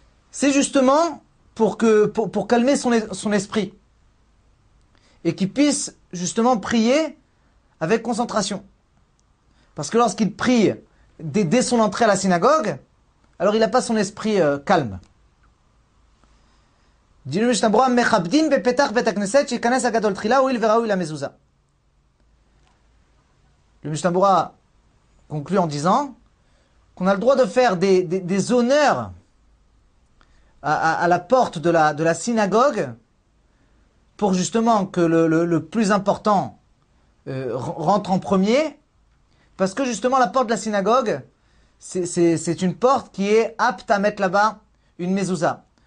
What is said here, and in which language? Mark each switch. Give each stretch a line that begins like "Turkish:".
French: C'est justement pour calmer son esprit et qu'il puisse justement prier avec concentration. Parce que lorsqu'il prie dès son entrée à la synagogue, alors il n'a pas son esprit calme.
Hebrew: דינו משתברו המכבדים בפתח בית הכנסת שיכנס הגדול תחילה הואיל וראוי למזוזה.
French: Le משתברו conclut en disant qu'on a le droit de faire des honneurs à la porte de la synagogue pour justement que le plus important rentre en premier, parce que justement la porte de la synagogue c'est une porte qui est apte à mettre là-bas une mezouza.